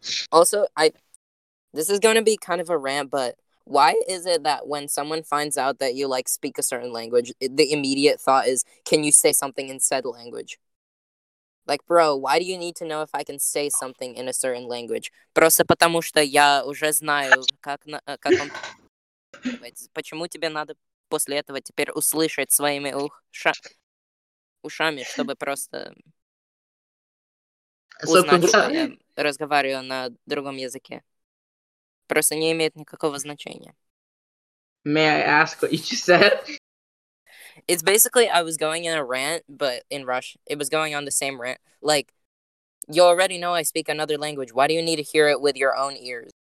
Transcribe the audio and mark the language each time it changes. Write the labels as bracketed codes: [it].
[en] Also, this is going to be kind of a rant, but why is it that when someone finds out that you, like, speak a certain language, the immediate thought is, can you say something in said language? Like, bro, why do you need to know if I can say something in a certain language? [ru] Просто потому что я уже знаю, как он... Почему тебе надо после этого теперь услышать своими ушами, чтобы просто узнать, что я разговариваю на другом языке? Просто не имеет никакого значения. [en] May I ask what you just said? It's basically I was going in a rant, but in Russian. It was going on the same rant. Like, you already know I speak another language. Why do you need to hear it with your own ears?